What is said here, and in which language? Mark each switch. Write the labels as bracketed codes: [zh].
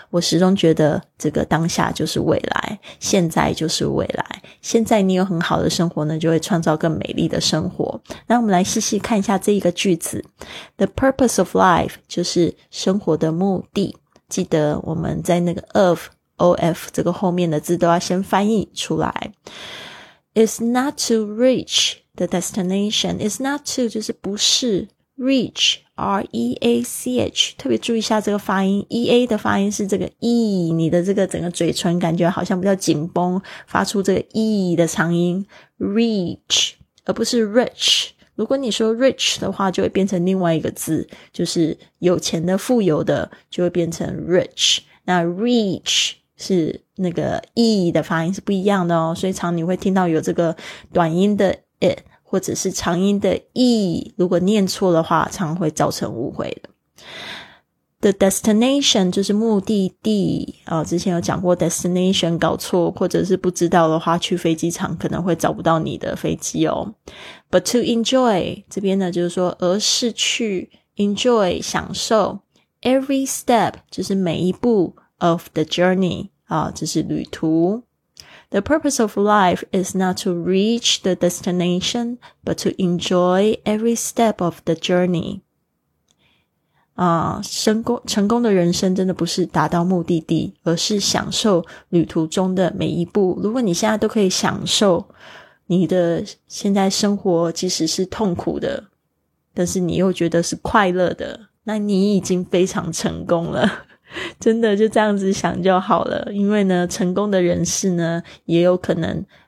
[zh] 我始终觉得这个当下就是未来，现在就是未来，现在你有很好的生活呢，就会创造更美丽的生活。那我们来细细看一下这一个句子， [en] The purpose of life [zh] 就是生活的目的。记得我们在那个 ofOF 这个后面的字都要先翻译出来。 [en] It's not to reach the destination. It's not to [zh] 就是不是， reach R-E-A-C-H， 特别注意一下这个发音， E-A 的发音是这个 E， 你的这个整个嘴唇感觉好像比较紧绷，发出这个 E 的长音， reach 而不是 rich。如果你说 rich 的话，就会变成另外一个字，就是有钱的富有的，就会变成 rich。那 reach 是那个 e 的发音是不一样的哦，所以常你会听到有这个短音的 it 或者是长音的 e， 如果念错的话常会造成误会的。 The destination 就是目的地、之前有讲过 destination 搞错或者是不知道的话，去飞机场可能会找不到你的飞机哦。 [en] But to enjoy [zh] 这边呢就是说而是去 enjoy 享受， [en] every step [zh] 就是每一步 [en] of the journey [zh] 啊，这是旅途。 [en] The purpose of life is not to reach the destination but to enjoy every step of the journey 啊， [zh] 成功的人生真的不是达到目的地，而是享受旅途中的每一步。如果你现在都可以享受你的现在生活，即使是痛苦的，但是你又觉得是快乐的，那你已经非常成功了。真的就这样子想就好了，因为呢成功的人士呢也有可能